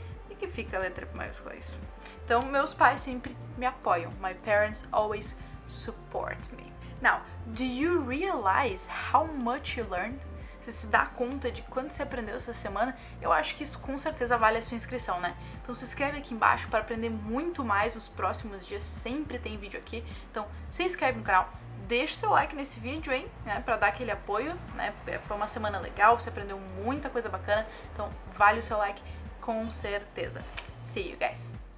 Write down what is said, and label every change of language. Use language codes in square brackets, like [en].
[pt] O que fica a letra maiúscula isso? Então, meus pais sempre me apoiam. [en] My parents always support me. Now, do you realize how much you learned? [pt] Você se dá conta de quanto você aprendeu essa semana? Eu acho que isso com certeza vale a sua inscrição, né? Então se inscreve aqui embaixo para aprender muito mais nos próximos dias. Sempre tem vídeo aqui. Então se inscreve no canal. Deixa o seu like nesse vídeo, hein, né, pra dar aquele apoio, né, foi uma semana legal, você aprendeu muita coisa bacana, então vale o seu like, com certeza. [en] See you guys!